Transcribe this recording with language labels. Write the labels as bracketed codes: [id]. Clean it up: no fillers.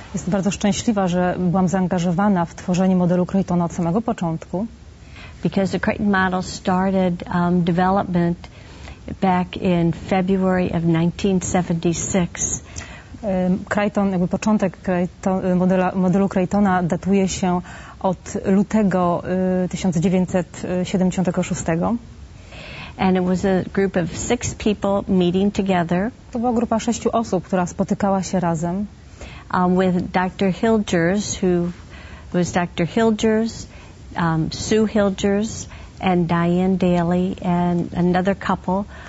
[pl] Jestem bardzo szczęśliwa, że byłam zaangażowana w tworzenie modelu Crichtona od samego początku. [en] Because the Crichton model started development back in February of 1976. [pl] Crichton, jakby początek modelu Crichtona datuje się od lutego 1976. [en] And it was a group of six people meeting together. [pl] To była grupa sześciu osób, która spotykała się razem. [en] With Dr. Hilgers, who was Dr. Hilgers, Sue Hilgers and Diane Daly and another couple.